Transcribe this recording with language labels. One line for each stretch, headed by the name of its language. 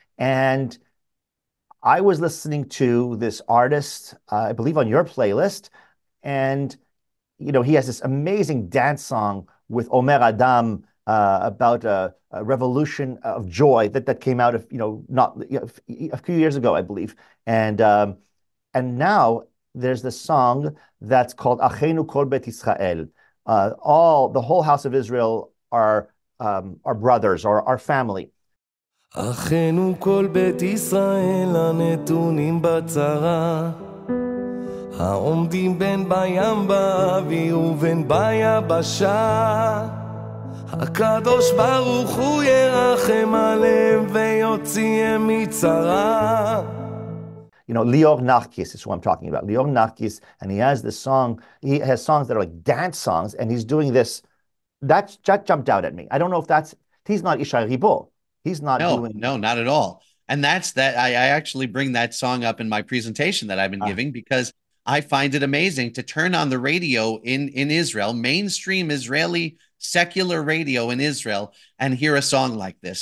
English: And I was listening to this artist, I believe on your playlist, and he has this amazing dance song with Omer Adam about a revolution of joy that came out of a few years ago, I believe. And and now there's this song that's called Acheinu Kol Beit Yisrael. The whole house of Israel are brothers or our family.
Hebrew: אחינו כל בית ישראל הנתונים בצרה העומדים בין בים באוויר ובין ביבשה הקדוש ברוך הוא ירחם עליהם ויוציאם מצרה.
English: Lior Narkis is who I'm talking about. Lior Narkis, and he has songs that are like dance songs, and he's doing this. That jumped out at me. I don't know if he's not Ishai Ribo. He's not No, not at all. And that's that. I actually bring that song up in my presentation that I've been giving, because I find it amazing to turn on the radio in Israel, mainstream Israeli secular radio in Israel, and hear a song like this.